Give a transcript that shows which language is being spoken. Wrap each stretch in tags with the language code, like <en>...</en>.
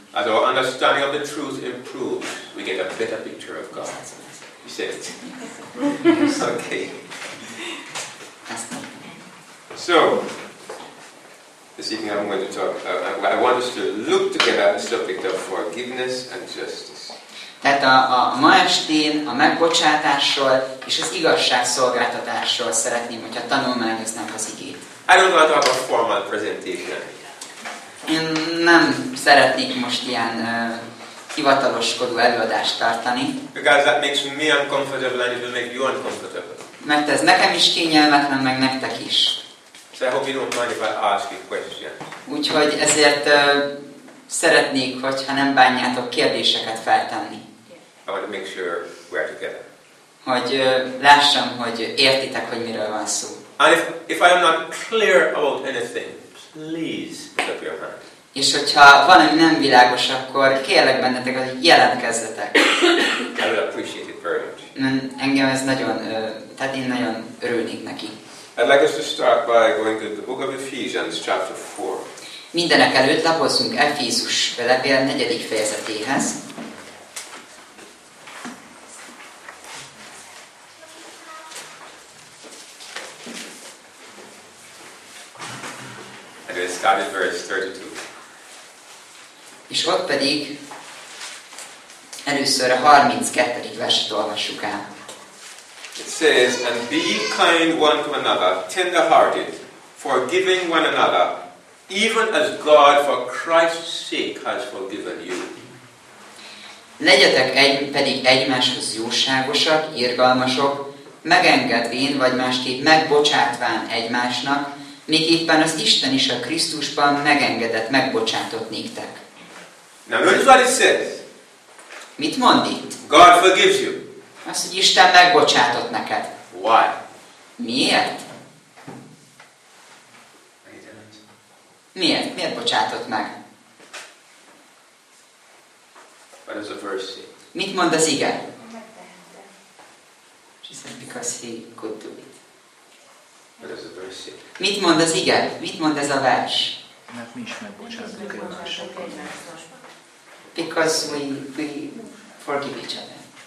<en>As our understanding of the truth improves, we get a better picture of God. You said it. It's okay. So, this evening I'm going to talk. I want us to look together at the subject of forgiveness and justice.</en> <hu>Tehát a ma estén a megbocsátásról és az igazságszolgáltatásról szeretném, hogyha tanulmányoznánk az igét.</hu> <en>I don't want to have a formal presentation.</en> <hu>Én nem szeretnék most ilyen hivataloskodó előadást tartani.</hu> <en>Because that makes me uncomfortable and it will make you uncomfortable.</en> <hu>Mert ez nekem is kényelmetlen, meg nektek is.</hu> <en>So I hope you don't mind if I ask you questions.</en> <hu>Úgyhogy ezért szeretnék, hogyha nem bánjátok kérdéseket feltenni.</hu> <en>I want to make sure we are together.</en> <hu>Hogy lássam, hogy értitek, hogy miről van szó.</hu> <en>And if I am not clear about anything, please put up your hand.</en> <hu>És hogyha valami nem világos, akkor kérlek bennetek, hogy jelentkezzetek.</hu> <en>I would appreciate it very much.</en> <hu>Engem ez nagyon, tehát én nagyon örülnék neki.</hu> <en>I'd like us to start by going to the book of Ephesians, chapter 4.</en> <hu>Mindenek előtt lapozzunk Efézus levél 4. fejezetéhez.</hu> <en>And it started verse 32.</en> <hu>És ott pedig először a 32. verset olvassuk el.</hu> <en>It says, and be kind one to another, tender-hearted, forgiving one another, even as God for Christ's sake has forgiven you.</en> <hu>Legyetek pedig egymáshoz jóságosak, irgalmasok, megengedvén vagy másképp megbocsátván egymásnak, még éppen az Isten is a Krisztusban megengedett, megbocsátott néktek.</hu> <en>Now notice what it says.</en> <hu>Mit mond itt?</hu> <en>God forgives you.</en> <hu>Azt, hogy Isten megbocsátott neked.</hu> <en>Why?</en> <hu>Miért? Miért? Miért bocsátott meg?</hu> <en>What does the verse say?</en> <hu>Mit mond az ige?</hu> <en>She said, because he could do it. What does the verse say?</en> <hu>Mit mond az ige? Mit mond ez a vers? Mert mi is megbocsátunk egymásnak.</hu> <en>Because we forgive each other.</en>